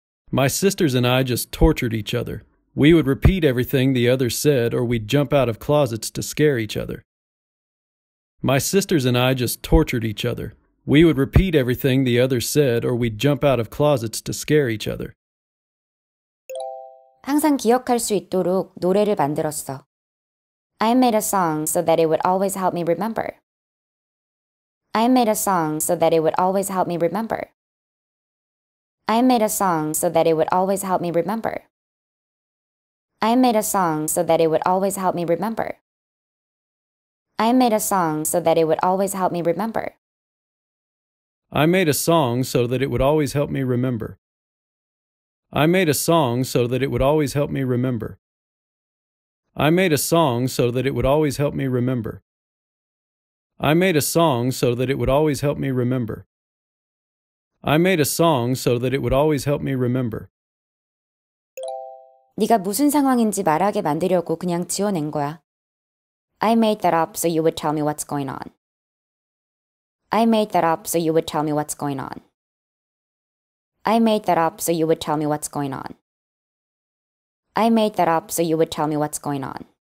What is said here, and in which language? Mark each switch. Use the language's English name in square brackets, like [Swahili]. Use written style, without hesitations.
[English] My sisters and I just tortured each other. We would repeat everything the other said, or we'd jump out of closets to scare each other. My sisters and I just tortured each other. We would repeat everything the other said, or we'd jump out of closets to scare each other. [Korean] 항상 기억할 수 있도록 노래를 만들었어. [English] I made a song so that it would always help me remember. I made a song so that it would always help me remember. I made a song so that it would always help me remember. I made a song so that it would always help me remember. I made a song so that it would always help me remember. I made a song so that it would always help me remember. I made a song so that it would always help me remember. I made a song so that it would always help me remember. I made a song so that it would always help me remember. I made a song so that it would always help me remember. [Korean] 네가 무슨 상황인지 말하게 만들려고 그냥 지어낸 거야. [English] I made that up so you would tell me what's going on. I made that up so you would tell me what's going on. I made that up so you would tell me what's going on. I made that up so you would tell me what's going on.